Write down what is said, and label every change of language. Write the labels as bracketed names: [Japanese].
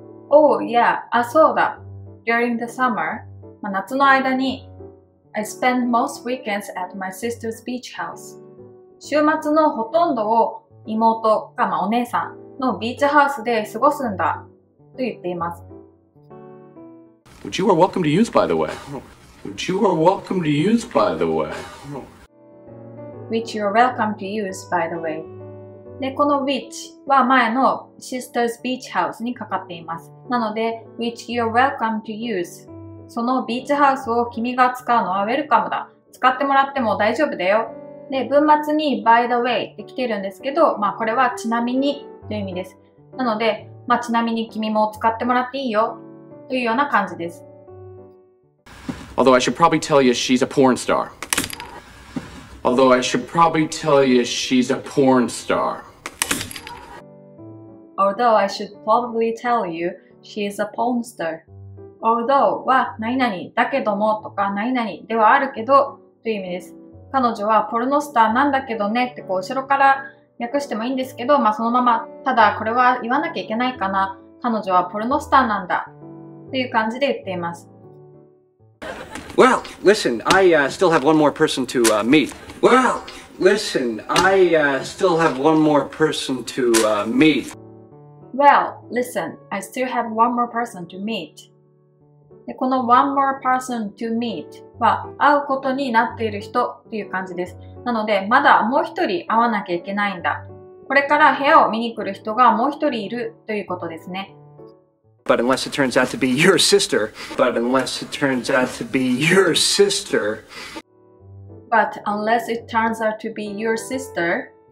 [English] Oh, yeah. Ah, [Japanese] そうだ. [English] During the summer, [Japanese] まあ夏の間に, [English] I spend most weekends at my sister's beach house. [Japanese] 週末のほとんどを妹か、まあ、お姉さんのビーチハウスで過ごすんだ。と言っています. [English] Which you are welcome to use, by the way. Which you are welcome to use, by the way. Which you are welcome to use, by the way. [Japanese] で、この which は前の [English] sister's beach house [Japanese] にかかっています。なので、 [English] which you are welcome to use. [Japanese] そのビーチハウスを君が使うのは welcome だ。使ってもらっても大丈夫だよ。で、文末に [English] by the way [Japanese] って来てるんですけど、まあこれはちなみにという意味です。なので、まあちなみに君も使ってもらっていいよというような感じです。 [English] Although I should probably tell you she's a porn star. Although I should probably tell you she's a porn star. Although I should probably tell you she's a porn star. [Japanese] Although は何々だけどもとか何々ではあるけどという意味です。彼女はポルノスターなんだけどねってこう後ろから訳してもいいんですけど、まあそのままただこれは言わなきゃいけないかな。彼女はポルノスターなんだという感じで言っています。 [English] Well, listen, I still have one more person to meet. Well, listen, I still have one more person to meet. Well, listen, I still have one more person to meet. [Japanese] で、この [English] one more person to meet [Japanese] は会うことになっている人という感じです。なので、まだもう一人会わなきゃいけないんだ。これから部屋を見に来る人がもう一人いるということですね。 [English] But unless it turns out to be your sister. But unless it turns out to be your sister. But unless it turns out to be your sister.